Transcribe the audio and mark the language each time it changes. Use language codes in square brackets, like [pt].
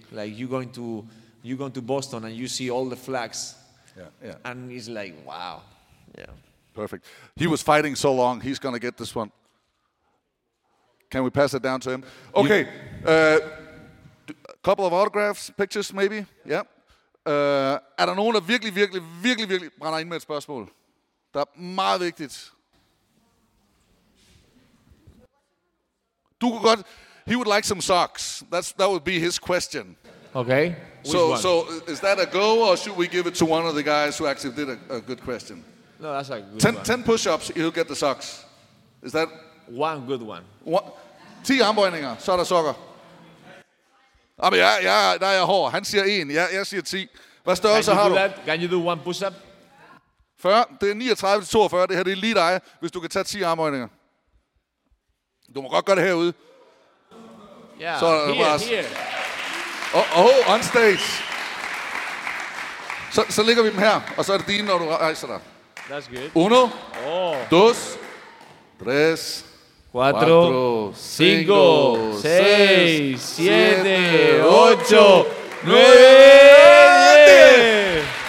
[en] Like you're going to Boston and you see all the flags. Yeah, yeah. And it's like, wow. Yeah. Perfect. He was fighting so long, he's going to get this one. Can we pass it down to him? Okay. Couple of autographs, pictures maybe? Yeah. [da] Er der nogen, der virkelig, virkelig, virkelig, virkelig brænder ind med et spørgsmål? Det er meget vigtigt. Du kunne godt... [en] He would like some socks. That would be his question. Okay. So is that a go, or should we give it to one of the guys who actually did a good question? No, that's a good 10, one. 10 push-ups, you'll get the socks. Is that... One good one. [da] 10 armbøjninger, så er der sokker. Jamen, der er hård. Han siger 1, jeg siger 10. Hvad størrelse har du? [en] Can you do one push-up? [da] 40, det er 39-42, det her det er lige dig, hvis du kan tage 10 armbøjninger. Du må godt gøre det herude. Yeah, så er here. [en] On stage. [da] Så ligger vi dem her, og så er det dine, når du rejser dig. [en] That's good. [es] Uno, dos, tres, cuatro, cinco, seis, siete, ocho, nueve.